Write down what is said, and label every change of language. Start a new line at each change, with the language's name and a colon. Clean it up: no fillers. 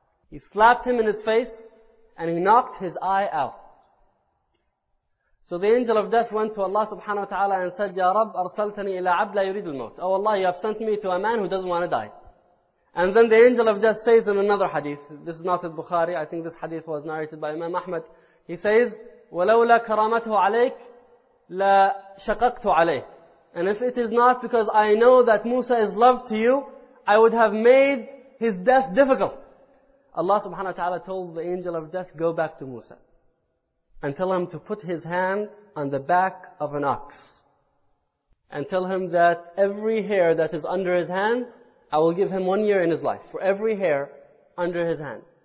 English: He slapped him in his face and he knocked his eye out. So the angel of death went to Allah subhanahu wa ta'ala and said,
Arabic: Ya Rab, arsaltani ila abd la yurid al-maut.
English: Oh Allah, you have sent me to a man who doesn't want to die. And then the angel of death says in another hadith, this is not in Bukhari, I think this hadith was narrated by Imam Ahmad. He says,
Arabic: وَلَوْ لَا كَرَامَتُهُ عَلَيْكَ لَا شَقَقْتُ عَلَيْهِ.
English: And if it is not because I know that Musa is loved to you, I would have made his death difficult. Allah subhanahu wa ta'ala told the angel of death, go back to Musa and tell him to put his hand on the back of an ox and tell him that every hair that is under his hand, I will give him 1 year in his life for every hair under his hand.